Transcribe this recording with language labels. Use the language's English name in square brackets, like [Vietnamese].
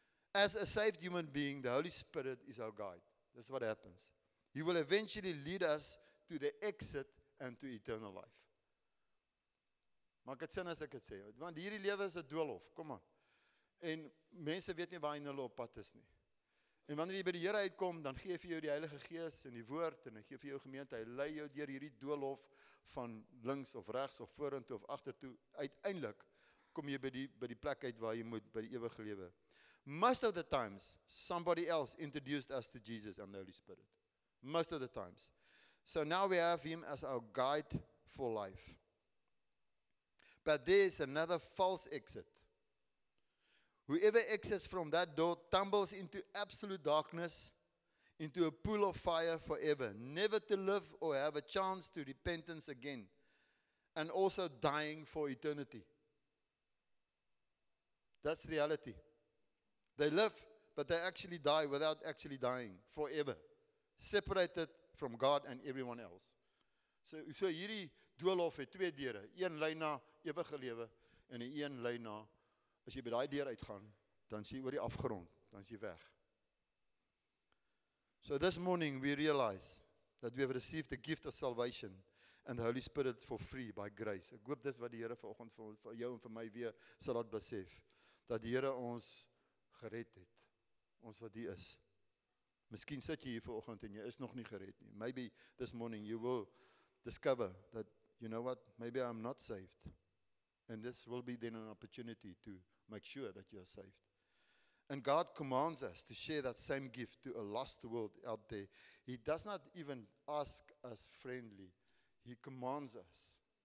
[English] As a saved human being, the Holy Spirit is our guide. That's what happens. He will eventually lead us to the exit and to eternal life. [Afrikaans] Maak dit sin as ek dit sê? Want hierdie lewe is 'n doolhof. Kom aan. En mense weet nie waar hulle op pad is nie. En wanneer jy by die Here uitkom, dan gee vir jou die Heilige Gees en die woord en hy gee vir jou gemeente, hy lei jou deur hierdie doolhof van links of regs of vorentoe of agtertoe. Uiteindelik kom jy by die plek uit waar jy moet by die ewige lewe. [English] Most of the times somebody else introduced us to Jesus and the Holy Spirit. Most of the times. So now we have him as our guide for life. But there is another false exit. Whoever exits from that door tumbles into absolute darkness, into a pool of fire forever, never to live or have a chance to repentance again, and also dying for eternity. That's reality. They live, but they actually die without actually dying forever, separated from God and everyone else. [Afrikaans] So hierdie doolhof het twee deure. Een lei na ewige lewe en een lei na, as jy by daai deur uitgaan, dan sien jy oor die afgrond, dan is jy weg. [English] So this morning we realize that we have received the gift of salvation and the Holy Spirit for free by grace. [Afrikaans] Ek hoop dis wat die Here vanoggend vir jou en vir my weer sal laat besef, dat die Here ons gered het. Ons wat hier is. Miskien sit jy hier vanoggend en jy is nog nie gered nie. [English] Maybe this morning you will discover that, you know what, maybe I'm not saved. And this will be then an opportunity to make sure that you are saved. And God commands us to share that same gift to a lost world out there. He does not even ask us friendly. He commands us.